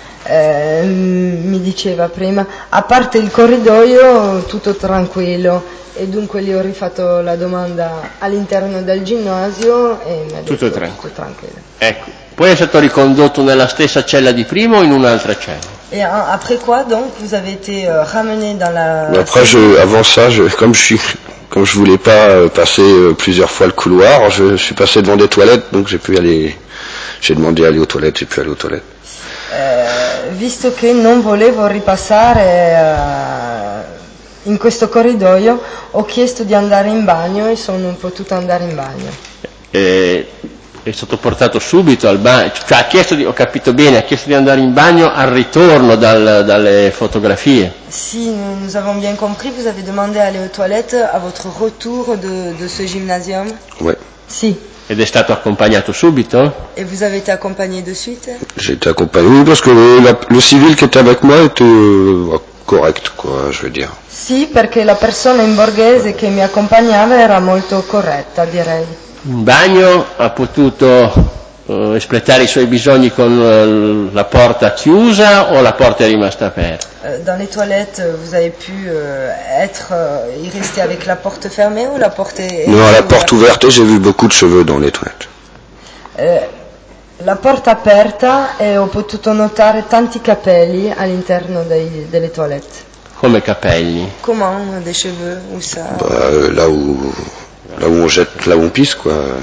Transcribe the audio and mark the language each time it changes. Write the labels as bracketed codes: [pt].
[it] Mi diceva prima, a parte il corridoio, tutto tranquillo. E dunque gli ho rifatto la domanda all'interno del ginnasio e mi ha detto tutto tranquillo. Ecco. Poi è stato ricondotto nella stessa cella di prima o in un'altra cella? [fr] E après quoi donc vous avez été ramené dans la Après je avant ça je comme je suis comme je voulais pas passer plusieurs fois le couloir, je suis passé devant des toilettes, donc j'ai pu aller, j'ai demandé à aller aux toilettes, j'ai pu aller aux toilettes. [it] Visto che non volevo ripassare in questo corridoio, ho chiesto di andare in bagno e sono potuto andare in bagno. È stato portato subito al bagno, cioè ha chiesto di, ho capito bene, ha chiesto di andare in bagno al ritorno dalle fotografie. [fr] Sì, nous avons bien compris, vous avez demandé aller aux toilettes à votre retour de ce gymnasium. Oui. [it] Sì. Ed è stato accompagnato subito? [fr] E vous avez été accompagné de suite? J'ai été accompagné, oui, parce que le civil qui était avec moi était correct, quoi, je veux dire. [it] Sì, perché la persona in borghese che mi accompagnava era molto corretta, direi. In bagno ha potuto espletare i suoi bisogni con la porta chiusa o la porta è rimasta aperta? [fr] Dans les toilettes, vous avez pu être y rester avec la porte fermée ou la porte est non, la porte ouverte, j'ai vu beaucoup de cheveux dans les toilettes. [it] La porta aperta e ho potuto notare tanti capelli all'interno delle toilettes. Come capelli? [fr] Comment des cheveux ou ça? Là où on jette, là où on pisse, quoi.